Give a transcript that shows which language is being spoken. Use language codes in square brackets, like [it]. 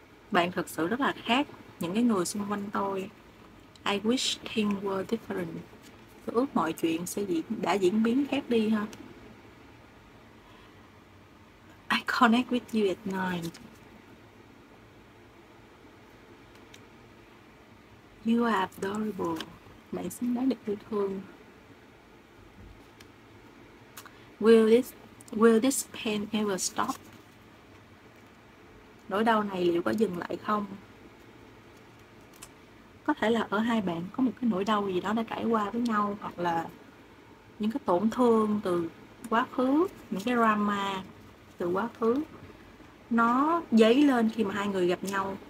[vi] Bạn thực sự rất là khác những cái người xung quanh tôi. [en] I wish things were different. [vi] Tôi ước mọi chuyện sẽ đã diễn biến khác đi ha. [en] I connect with you at night. You are adorable. [vi] Bạn xứng đáng được yêu thương. [en] Will this pain ever stop? [vi] Nỗi đau này liệu có dừng lại không? Có thể là ở hai bạn có một cái nỗi đau gì đó đã trải qua với nhau, hoặc là những cái tổn thương từ quá khứ, những cái drama từ quá khứ nó dấy lên khi mà hai người gặp nhau.